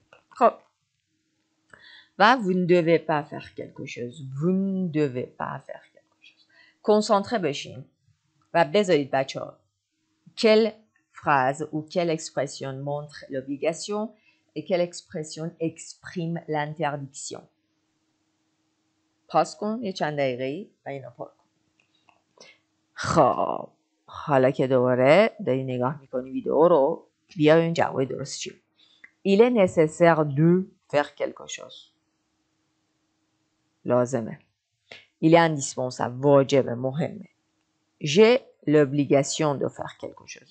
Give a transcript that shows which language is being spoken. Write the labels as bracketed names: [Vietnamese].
[Persian] خب و [French] vous ne devez pas faire quelque chose. vous ne devez pas faire quelque chose. concentré [Persian] بشین و بذارید بچه ها [French] quelle phrase ou quelle expression montre l'obligation et quelle expression exprime l'interdiction. [Persian] پاس کن یه چند دقیقه ای و اینا پر کن. خب حالا که دوباره داری نگاه میکنی ویدئو رو، بیا ببین جواب درست چیه. [French] il est nécessaire de faire quelque chose. [Persian] لازمه. [French] il est indispensable. [Persian] واجبه. مهمه. [French] j'ai l'obligation de faire quelque chose.